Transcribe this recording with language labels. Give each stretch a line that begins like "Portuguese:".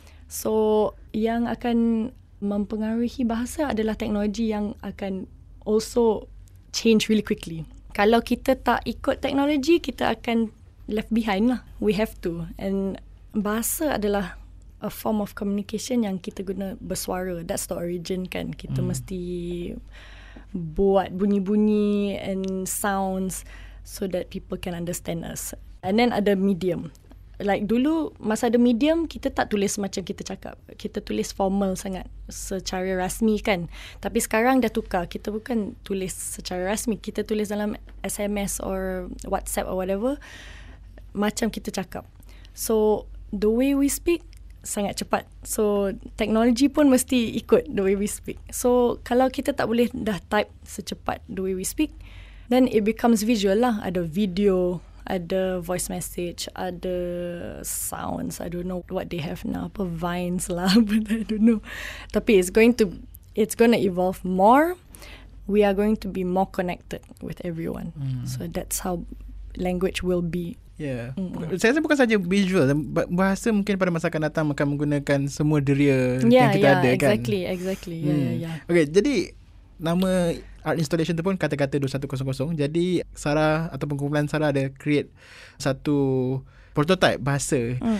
Malay: So yang akan mempengaruhi bahasa adalah teknologi yang akan
English: also change really quickly.
Malay: Kalau kita tak ikut teknologi, kita akan
English: left behind
Malay: lah.
English: We have to.
Malay: And bahasa adalah
English: a form of communication
Malay: yang kita guna bersuara.
English: That's the origin,
Malay: kan. Kita mesti buat bunyi-bunyi
English: and sounds so that people can understand us.
Malay: And then ada medium. Like dulu, masa ada medium, kita tak tulis macam kita cakap. Kita tulis formal sangat, secara rasmi, kan. Tapi sekarang dah tukar. Kita bukan tulis secara rasmi. Kita tulis dalam SMS or WhatsApp
English: or whatever,
Malay: macam kita cakap.
English: So the way we speak
Malay: sangat cepat,
English: so technology
Malay: pun mesti ikut
English: the way we speak. So
Malay: kalau kita tak boleh dah
English: type
Malay: secepat
English: the way we speak, then it becomes visual
Malay: lah. Ada video, ada voice message, ada sounds.
English: I don't know what they have now.
Malay: Apa,
English: vines lah. But I don't know.
Malay: Tapi
English: it's going to evolve more. We are going to be more connected with everyone. So that's how language will be.
Malay: Saya rasa bukan saja visual, bahasa mungkin pada masa akan datang akan menggunakan semua deria yang kita ada,
English: exactly,
Malay: kan.
English: Exactly.
Malay: Okay, jadi nama art installation tu pun kata-kata 2100. Jadi Sarah ataupun kumpulan Sarah ada create satu prototype bahasa.